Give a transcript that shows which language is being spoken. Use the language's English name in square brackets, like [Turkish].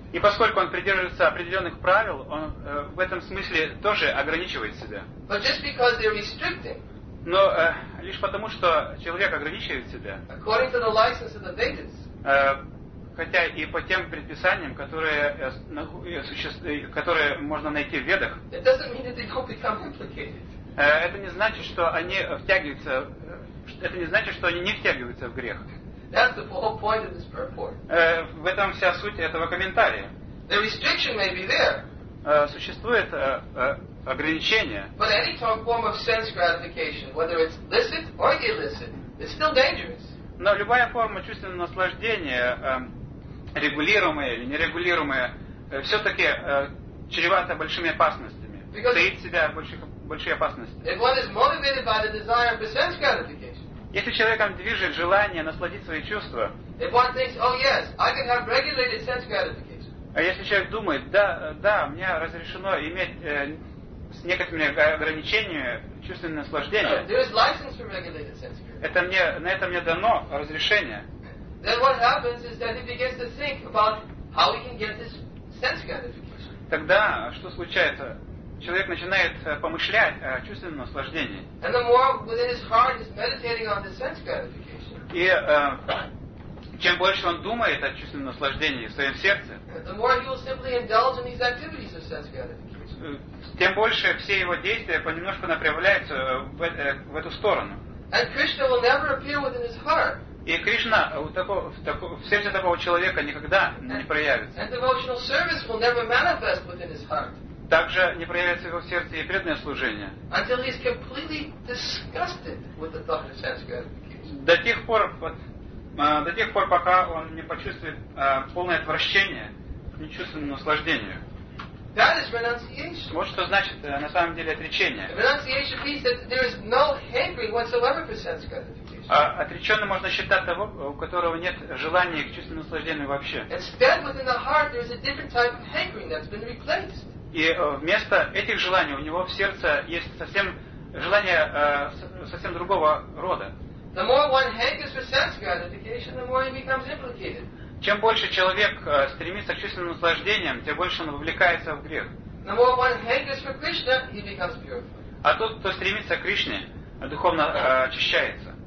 [Russian] И поскольку он придерживается определенных правил, он в этом смысле тоже ограничивает себя. [English] But just because they're restricting. [Russian] Но лишь потому, что человек ограничивает себя. [English] According to the license of the Vedas. [Russian] Хотя и по тем предписаниям, которые можно найти в Ведах. [English] It doesn't mean that they don't become implicated. [Russian] Это не значит, что они втягиваются. Это не значит, что они не втягиваются в грех. [English] That's the whole point of this purport. [Russian] В этом вся суть этого комментария. [English] The restriction may be there. [Russian] Существует ограничение. [English] But any form of sense gratification, whether it's licit or illicit, is still dangerous. [Russian] Но любая форма чувственного наслаждения, регулируемая или нерегулируемая, все-таки чревата большими опасностями. Стоит себя большие опасности. [English] If one is motivated by the desire for sense gratification, [Russian] если человеком движет желание насладить свои чувства, [English] if one thinks, oh yes, I can have regulated sense gratification, [Russian] а если человек думает, да, мне разрешено иметь с некоторыми ограничениями чувственное наслаждение, [English] there is license for regulated sense gratification. [Russian] На это мне дано разрешение. [English] Then what happens is that he begins to think about how he can get this sense gratification. [Russian] Тогда что случается? Человек начинает помышлять о чувственном наслаждении. [English] And the more within his heart is meditating on the sense gratification. [Russian] И чем больше он думает о чувственном наслаждении в своем сердце, [English] the more he will simply indulge in these activities of sense gratification. [Russian] Тем больше все его действия понемножку направляются в эту сторону. [English] And Krishna will never appear within his heart. [Russian] И Кришна в сердце такого человека никогда не проявится. [English] And devotional service will never manifest within his heart. [Russian] также не проявится в его сердце и преданное служение. [English] Until he's completely disgusted with the thought of sense-gratification. [Russian] До тех пор, пока он не почувствует полное отвращение к нечувственному наслаждению. [English] That is renunciation. [Russian] Вот что значит на самом деле отречение. [English] Renunciation means that there is no hankering whatsoever for sense gratification. [Russian] А отреченным можно считать того, у которого нет желания к чувственному наслаждению вообще. [English] Instead, within the heart, there is a different type of hankering that's been replaced. [Russian] И вместо этих желаний у него в сердце есть совсем желание совсем другого рода. [English] The more one hankers for sense gratification, the more he becomes implicated. [Russian] Чем больше человек стремится к чувственным наслаждениям, тем больше он вовлекается в грех. [English] The more one hankers for Krishna, he becomes pure. [Russian] А тот, кто стремится к Кришне, духовно очищается.